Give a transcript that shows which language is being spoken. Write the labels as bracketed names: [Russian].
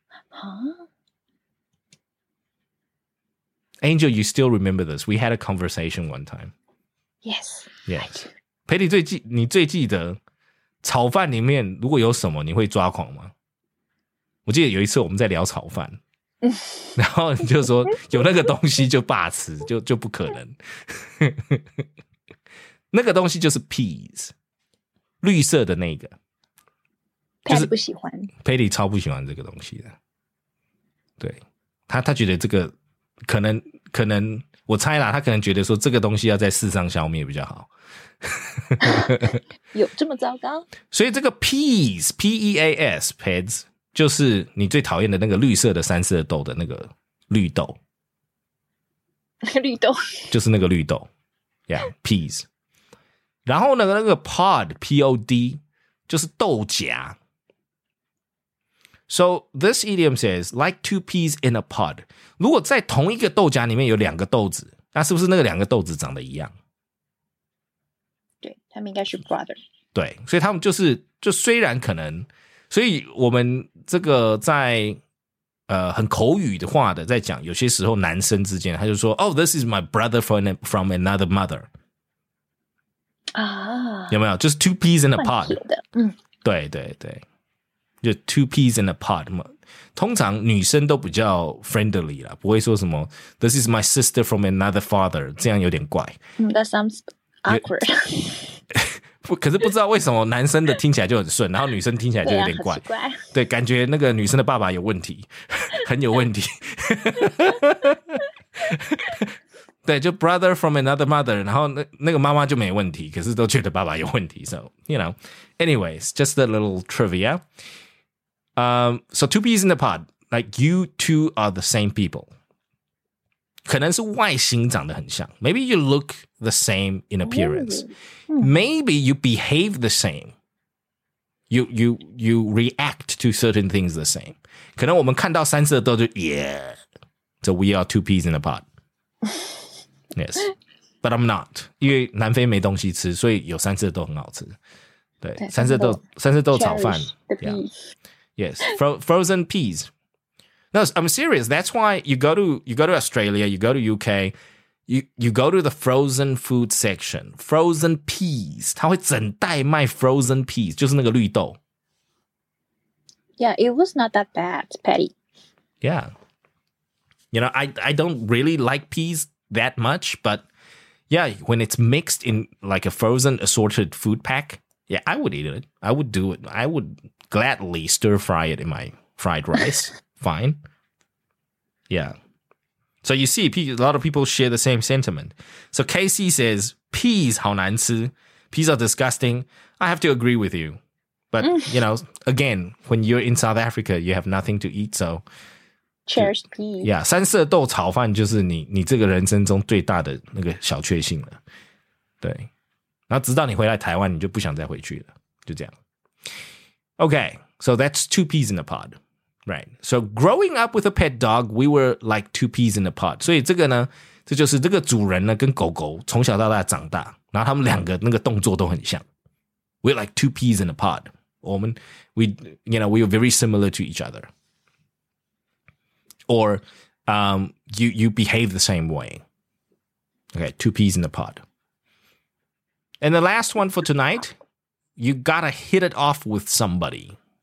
[English] Huh? Angel, you still remember this. We had a conversation one time. Yes. Yes. [Chinese] Petty, 你最记得炒饭里面如果有什么你会抓狂吗？我记得有一次我们在聊炒饭，然后你就说有那个东西就罢吃，就不可能。那个东西就是 peas， 绿色的那个。 Patty 不喜欢，Patty 超不喜欢这个东西的。对，他觉得这个可能我猜啦，他可能觉得说这个东西要在世上消灭比较好。有这么糟糕？所以这个 peas p e a s peds 就是你最讨厌的那个绿色的三色豆的那个绿豆，绿豆就是那个绿豆 ， [English] yeah peas。 [Chinese] 然后那个 pod p o d 就是豆荚。 [English] So this idiom says like two peas in a pod。 [Chinese] 如果在同一个豆荚里面有两个豆子，那是不是那个两个豆子长得一样？对，他们应该是 brother。对，所以他们就虽然可能，所以我们这个在很口语的话的在讲，有些时候男生之间他就说 ， [English] Oh, this is my brother from another mother。啊， [Chinese] 有没有？就是 [English] two peas in a pod。嗯， [Chinese] 对对对，就 [English] two peas in a pod [Chinese] 嘛。通常女生都比较 friendly 啦，不会说什么 [English] This is my sister from another father， [Chinese] 这样有点怪。 [English] That sounds awkward. [Chinese] 可是不知道为什么男生的听起来就很顺，然后女生听起来就有点怪。对，啊，很奇怪。对，感觉那个女生的爸爸有问题，很有问题。对，就 [English] brother from another mother， [Chinese] 然后 那个妈妈就没问题，可是都觉得爸爸有问题。 [English] So, you know, anyways, just a little trivia. So two peas in a pod, like you two are the same people. [Chinese] 可能是外形长得很像。 [English] Maybe you look the same in appearance. Maybe you behave the same. You react to certain things the same. [Chinese] 可能我们看到三色豆就 yeah. [English] So we are two peas in a pod. Yes, but I'm not. [Chinese] 因为南非没东西吃，所以有三色豆很好吃。对，三色豆炒饭。 [English] Yeah. Yes, frozen peas. No, I'm serious. That's why you go to Australia, you go to UK, you go to the frozen food section. Frozen peas. [Chinese] 它会整袋卖 [English] frozen peas, [Chinese] 就是那个绿豆。 [English] Yeah, it was not that bad, Patty. Yeah. You know, I don't really like peas. That much, but yeah, when it's mixed in like a frozen assorted food pack, yeah, I would eat it. I would do it. I would gladly stir fry it in my fried rice. Fine. Yeah. So you see, a lot of people share the same sentiment. So Casey says, peas, [Chinese] 好难吃 [English] peas are disgusting. I have to agree with you. But, you know, again, when you're in South Africa, you have nothing to eat, so... Cherished peas. [Chinese] Yeah, 三色豆炒饭就是你这个人生中最大的那个小确幸了。对，然后直到你回来台湾，你就不想再回去了，就这样。 [English] Okay, so that's two peas in a pod, right? So growing up with a pet dog, we were like two peas in a pod. [Chinese] 所以这个呢，这就是这个主人呢跟狗狗从小到大长大，然后他们两个那个动作都很像。 [English] We're like two peas in a pod. We are very similar to each other. Or you behave the same way. Okay, two peas in a pod. And the last one for tonight, you gotta hit it off with somebody.